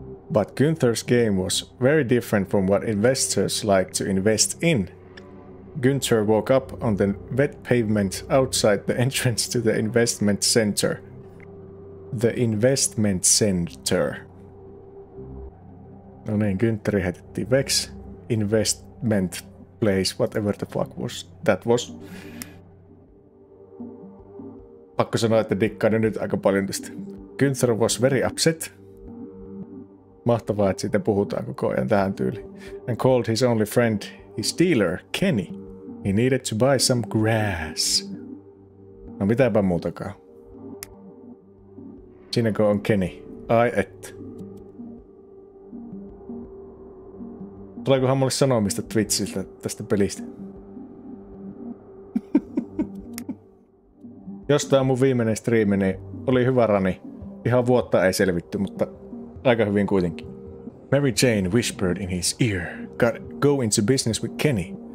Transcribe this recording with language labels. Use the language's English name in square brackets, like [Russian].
[English] But Günther's game was very different from what investors like to invest in. Günther woke up on the wet pavement outside the entrance to the investment center. The investment center. [Finnish] No niin, Günther heitettiin veks. [English] Investment place, whatever the fuck was that was. [Finnish] Pakko sanoa, että dikkaan nyt aika paljon tästä. [English] Günther was very upset. [Finnish] Mahtavaa, että siitä puhutaan koko ajan tähän tyyliin. [English] And called his only friend, his dealer, Kenny. He needed to buy some grass. [Finnish] No mitäpä muutakaan. Siinäkö on Kenny? Ai et. Tuleekohan mulle sanomista Twitchiltä tästä pelistä? Jos tää on mun viimeinen striimi, niin oli hyvä rani. Ihan vuotta ei selvitty, mutta aika hyvin kuitenkin. [English] Mary Jane whispered in his ear, go into business with Kenny.